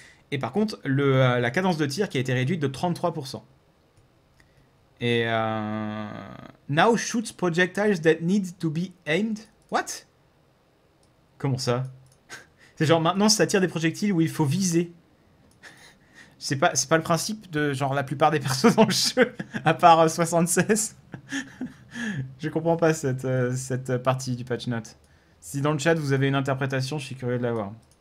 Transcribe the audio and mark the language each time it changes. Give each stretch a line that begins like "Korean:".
French: Et par contre, la cadence de tir qui a été réduite de 33%. Et
English: now shoots projectiles that need to be aimed. What?
French: Comment ça? C'est genre maintenant ça tire des projectiles où il faut viser. C'est pas le principe de genre la plupart des persos dans le jeu, à part 76. Je comprends pas cette partie du patch note. Si dans le chat vous avez une interprétation, je suis curieux de l'avoir.